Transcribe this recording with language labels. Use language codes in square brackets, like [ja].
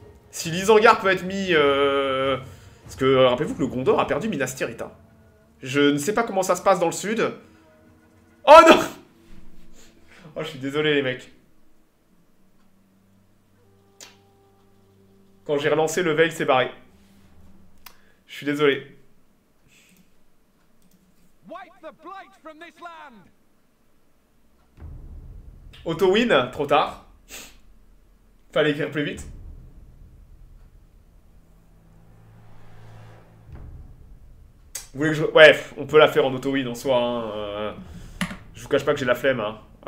[fr] Si Ilysangar peut être mis... parce que rappelez-vous que le Gondor a perdu Minas Tirith. Hein. Je ne sais pas comment ça se passe dans le sud. Oh non! Oh, je suis désolé, les mecs. Quand j'ai relancé le Veil, c'est barré. Je suis désolé. [en] Wipe the blight from this land. [fr] Auto-win, trop tard. Fallait écrire plus vite. Vous voulez que je... Ouais, on peut la faire en auto-win en soi. Hein. Je vous cache pas que j'ai la flemme. Hein.